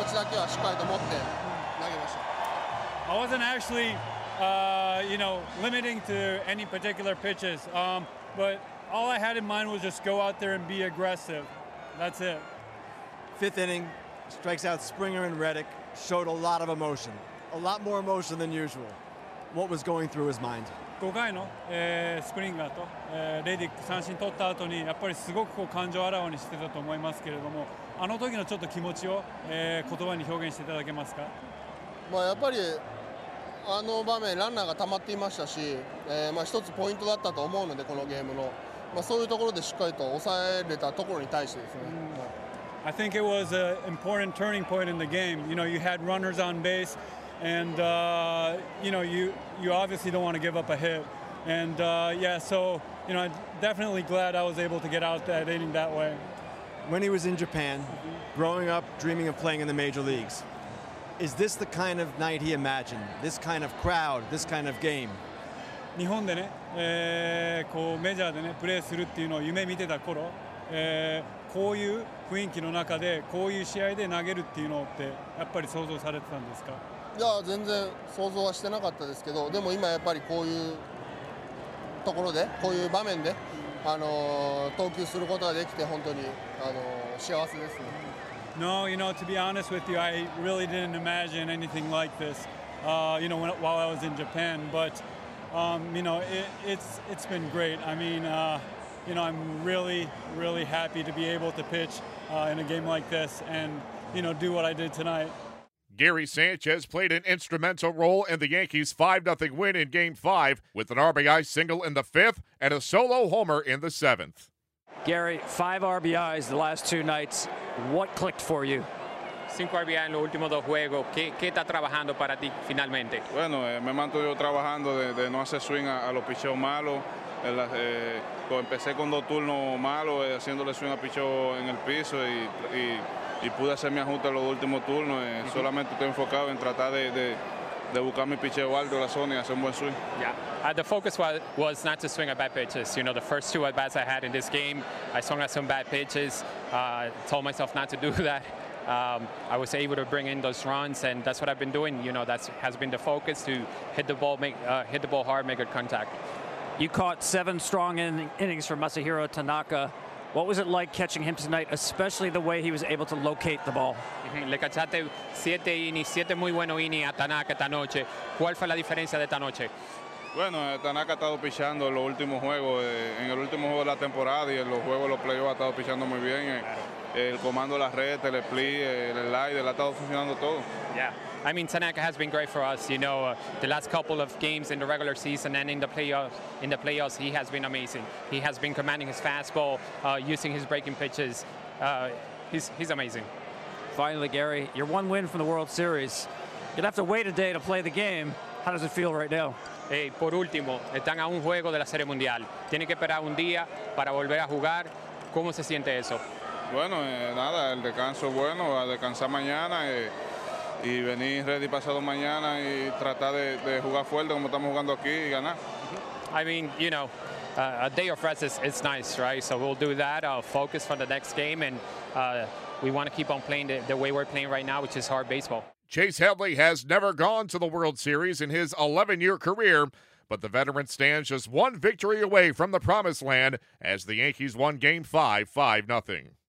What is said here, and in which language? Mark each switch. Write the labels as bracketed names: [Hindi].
[Japanese] クリーブランド戦ではスプリットを多投したと思いますけど今日はストレートの多投だと思います。試合入りにあたってのプランっていうのはどんなものだったんでしょうか。まあ、特別そのどの球種っていうわけではないですけど、まあ、あのしっかりダブレッシブにあの攻めるっていう気持ちだけはしっかりと持って投げました。 [English] I wasn't actually you know, limiting to any particular pitches. But all I had in mind was just go out there and be aggressive. That's it. 5th inning, strikes out Springer and Reddick, showed a lot of emotion, a lot more emotion than usual. What was going through his mind? [Japanese] 5回の、スプリンガーと、レディック三振取った後にやっぱりすごくこう感情あらわにしてたと思いますけれども、あの時のちょっと気持ちを、言葉に表現していただけますか？まあやっぱりあの場面ランナーが溜まっていましたし、まあ一つポイントだったと思うのでこのゲームの。まあ、そういうところでしっかりと抑えれたところに対してですね。 [English] I think it was an important turning point in the game. You know, you had runners on base, and you know, you obviously don't want to give up a hit. And yeah, so you know, I'm definitely glad I was able to get out that inning that way. When he was in Japan, growing up, dreaming of playing in the major leagues, is this the kind of night he imagined? This kind of crowd, this kind of game? [Japanese] 日本でね、こうメジャーでねプレーするっていうのを夢見てた頃、こういう雰囲気の中でこういう試合で投げるっていうのってやっぱり想像されてたんですか？いや全然想像はしてなかったですけど、でも今やっぱりこういうところでこういう場面で投球することができて本当に幸せですね。 [English] No, you know, to be honest with you, I really didn't imagine anything like this, you know, while I was in Japan, but you know, it's been great. I mean, you know, I'm really, really happy to be able to pitch in a game like this and, you know, do what I did tonight. Gary Sanchez played an instrumental role in the Yankees' 5-0 win in Game 5 with an RBI single in the 5th and a solo homer in the 7th. Gary, 5 RBIs the last 2 nights. What clicked for you? [Spanish] 5 RBI en los últimos dos juegos. ¿Qué está trabajando para ti finalmente? Bueno, me mantuve trabajando de no hacer swing a los picheos malos. Empecé con dos turnos malos, haciéndole swing a picheo en el piso y pude hacer mi ajuste en los últimos turnos. Solamente estoy enfocado en tratar de buscar mi picheo alto en la zona y hacer un buen swing. Yeah. [English] The focus was not to swing at bad pitches. You know, the first two at-bats I had in this game, I swung at some bad pitches. Told myself not to do that. I was able to bring in those runs, and that's what I've been doing. You know, that has been the focus, to hit the ball hard, make good contact. You caught 7 strong innings for Masahiro Tanaka. What was it like catching him tonight, especially the way he was able to locate the ball? [Spanish] Le cachaste 7 innings, 7 muy buenos innings a Tanaka esta noche. ¿Cuál fue la diferencia de esta noche? Bueno, Tanaka ha estado pichando en los últimos juegos, en el último juego de la temporada y en los juegos de los playoffs ha estado pichando muy bien. El comando de la red, el split, el slider, ha estado funcionando todo. Yeah. [English] I mean, Tanaka has been great for us. You know, the last couple of games in the regular season and in the playoffs, he has been amazing. He has been commanding his fastball, using his breaking pitches. He's amazing. Finally, Gary, you're one win from the World Series. You'll have to wait a day to play the game. How does it feel right now? [Spanish] Hey, por último, están a un juego de la Serie Mundial. Tienen que esperar un día para volver a jugar. ¿Cómo se siente eso? Bueno, nada, el descanso es bueno. A descansar mañana. Y venir ready pasado mañana y tratar de jugar fuerte como estamos jugando aquí y ganar. [English] I mean, you know, a day of rest is nice, right? So we'll do that. I'll focus for the next game, and we want to keep on playing the way we're playing right now, which is hard baseball. Chase Headley has never gone to the World Series in his 11-year career, but the veteran stands just one victory away from the promised land as the Yankees won Game 5, 5-0.